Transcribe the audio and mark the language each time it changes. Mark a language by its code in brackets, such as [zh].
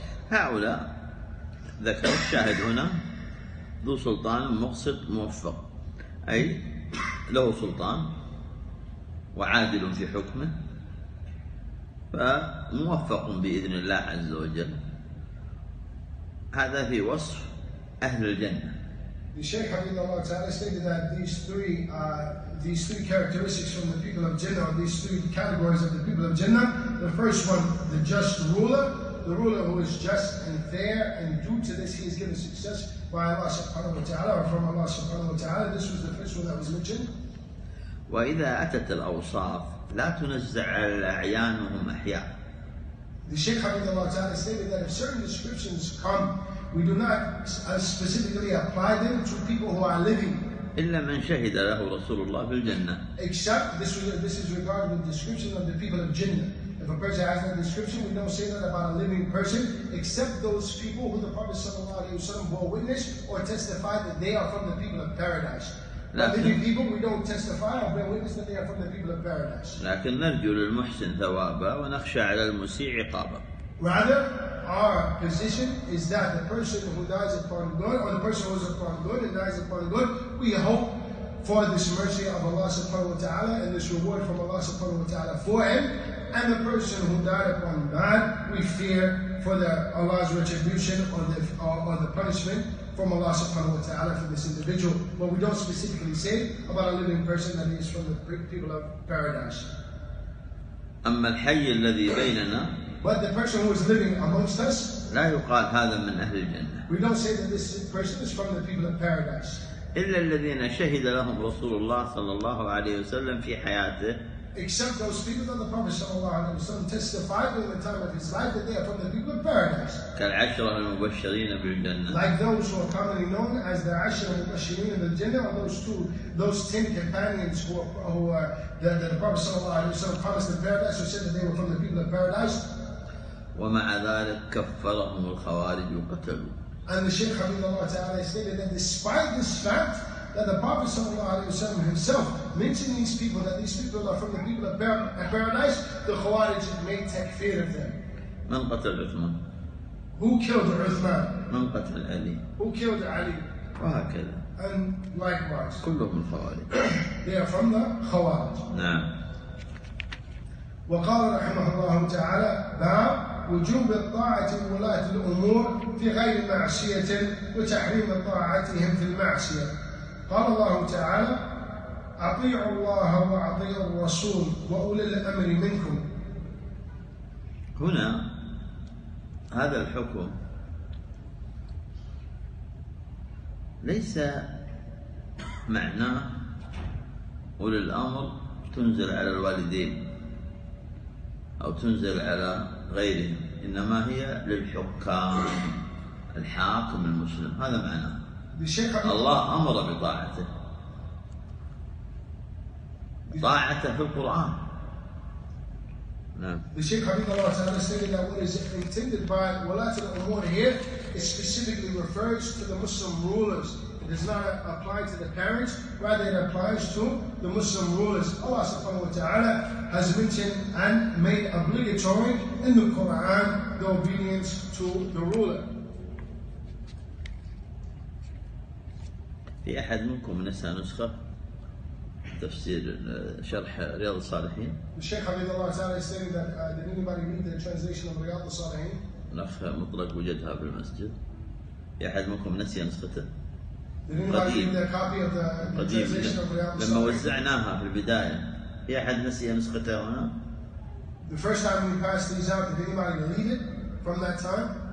[ar] هؤلاء ذكر الشاهد هنا ذو سلطان مقسط موفق أي له سلطان وعادل في حكمه فموفق بإذن الله عز وجل. هذا في وصف أهل الجنة. [en] The Shaykh Hafidhullah Ta'ala stated that these three characteristics from the people of Jannah, or these three categories of the people of Jannah, the first one, the just ruler, the ruler who is just and fair, and due to this he is given success by Allah Subhanahu Wa Ta'ala, or from Allah Subhanahu Wa Ta'ala. This was the first one that was mentioned. [ar] وَإِذَا أَتَتَ الْأَوْصَافِ لَا تُنَزَّعَ الْأَعْيَانُهُمْ أَحْيَاءً. [en] The Shaykh Hafidhullah Ta'ala stated that if certain descriptions come, we do not specifically apply them to people who are living. [ar] إِلَّا مَنْ شَهِدَ لَهُ رَسُولُ اللَّهِ فِي الْجَنَّةِ. [en] Except this is regarding the description of the people of Jannah. If a person has that description, we don't say that about a living person, except those people who the Prophet Sallallahu Alaihi Wasallam bore witness or testify that they are from the people of paradise. [ar] لكن [en] many people we don't testify or bear witness that they are from the people of paradise. [ar] لكن نرجو للمحسن ثوابا ونخشى على المسيء عقابا. [en] Rather, our position is that the person who dies upon good, or the person who is upon good and dies upon good, we hope for this mercy of Allah subhanahu wa ta'ala and this reward from Allah subhanahu wa ta'ala for him. And the person who died upon bad, we fear for the Allah's retribution or the punishment from Allah subhanahu wa ta'ala for this individual. But we don't specifically say about a living person that is from the people of paradise. [ar] أما الحي الذي بيننا. [en] But the person who is living amongst us. [ar] لا يقال هذا من أهل الجنة. [en] We don't say that this person is from the people of paradise. [ar] إلا الذين شهد لهم رسول الله صلى الله عليه وسلم في حياته. [en] Except those people that the Prophet sallallahu alaihi wasallam testified in the time of his life that they are from the people of paradise. [ar] كالعشرة المبشرين بالجنة. [en] Like those who are commonly known as the [ar] عشرة المبشرين بالجنة, [en] or those ten companions who are that the Prophet sallallahu alaihi wasallam promised in paradise, who said that they were from the people of paradise. [ar] ومع ذلك كفرهم الخوارج وقتلوا. [en] And the Shaykh Hafidhullah Ta'ala stated that despite this fact that the Prophet sallallahu alaihi wasallam himself mentioned these people, that these people are from the people of paradise, the Khawarij made takfir of them. [ar] من قتل عثمان؟ [en] Who killed Uthman? [ar] من قتل علي؟ [en] Who killed Ali? [ar] وهكذا. [en] And likewise. [ar] كلهم الخوارج. [en] They are from the Khawarij. [ar] نعم. وقال رحمه الله تعالى باب وجوب الطاعة لولاة الأمور في غير معصية وتحريم طاعتهم في المعصية. قال الله تعالى أطيعوا الله وأطيعوا الرسول وأولي الأمر منكم. هنا هذا الحكم ليس معناه أولي الأمر تنزل على الوالدين أو تنزل على غيرهم، إنما هي للحكام الحاكم المسلم، هذا معناه. الله أمر بطاعته، طاعته في القرآن. [en] The Sheikh Habibullah Ta'ala stated that what is intended by Walat al-Umur here it specifically refers to the Muslim rulers. It does not apply to the parents, rather it applies to the Muslim rulers. Allah subhanahu wa ta'ala has mentioned and made obligatory in the Quran the obedience to the ruler. [ar] في أحد منكم نسى نسخة تفسير شرح رياض الصالحين؟ الشيخ عبد الله تعالى [en] saying that did anybody read the translation of رياض الصالحين؟ [ar] نسخة مطلق وجدها في المسجد. في أحد منكم نسي نسخته؟ قديم. قديم. لما وزعناها في البداية، في أحد نسي نسخته هنا؟ [en] The first time we passed these out, did anybody read it from that time?